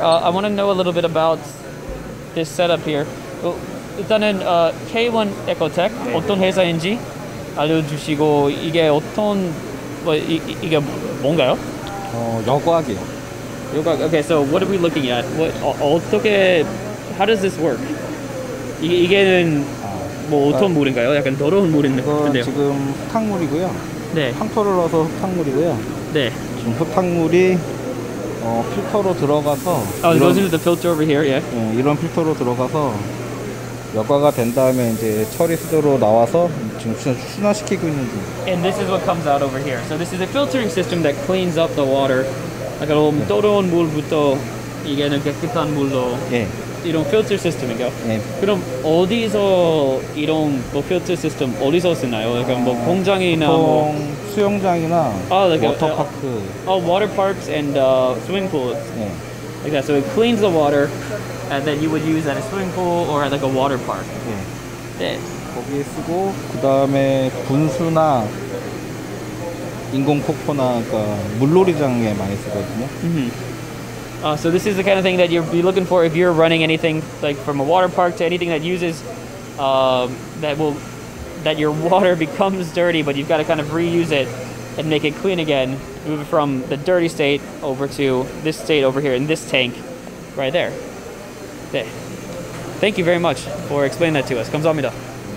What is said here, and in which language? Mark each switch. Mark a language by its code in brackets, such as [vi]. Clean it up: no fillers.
[en] I want to know a little bit about this setup here. [ko] 일단은 케이원에코텍 네. 어떤 회사인지 알려주시고 이게 어떤 뭐 이게 뭔가요? 여과기요. [en] 여과. Okay. So what are we looking at? What 어떻게 How does this work? [ko] 이게는 뭐 어떤 물인가요? 약간 더러운 물인데요. 지금 흙탕물이고요. 네. 황토를 넣어서 흙탕물이고요. 네. 지금 흙탕물이 필터로 들어가서 [en] Oh, it goes into the filter over here, yeah. [ko] 이런 필터로 들어가서 여과가 된 다음에 이제 처리 수조로 나와서 지금 순화시키고 있는 중. [en] And this is what comes out over here. So this is a filtering system that cleans up the water. [ko] 약간 좀 더러운 물부터 이게는 깨끗한 물로. 예. 이런 필터 시스템이요. 네. 그럼 어디서 이런 뭐 필터 시스템 어디서 쓰나요? 약간 뭐 공장이나 보통 뭐 수영장이나 워터파크. [en] Water parks and swimming pools. [ko] 네. [en] Like that. So it cleans the water, and then you would use at a swimming pool or at like a water park. [ko] 네. 네. 거기에 쓰고 그 다음에 분수나 인공 폭포나 그러니까 물놀이장에 많이 쓰거든요. [en] So this is the kind of thing that you'd be looking for if you're running anything like from a water park to anything that uses that your water becomes dirty but you've got to kind of reuse it and make it clean again, move it from the dirty state over to this state over here in this tank right there. 네. Thank you very much for explaining that to us. [ko] 감사합니다.